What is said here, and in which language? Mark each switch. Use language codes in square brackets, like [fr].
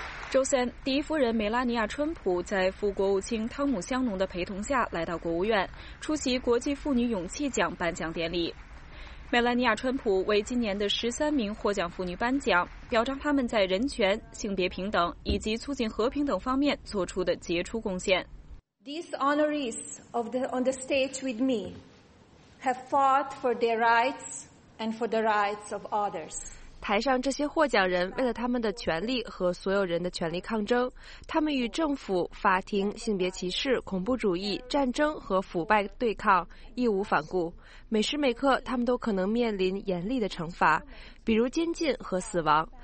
[zh] 周三，第一夫人梅拉尼亚·川普在副国务卿汤姆·香农的陪同下来到国务院，出席国际妇女勇气奖颁奖典礼。梅拉尼亚·川普为今年的13名获奖妇女颁奖，表彰他们在人权、性别平等以及促进和平等方面做出的杰出贡献。 [en] These honorees of the, on the stage with me have fought for their rights and for the rights of others. [zh] 台上这些获奖人为了他们的权利和所有人的权利抗争，他们与政府、法庭、性别歧视、恐怖主义、战争和腐败对抗，义无反顾。每时每刻，他们都可能面临严厉的惩罚，比如监禁和死亡。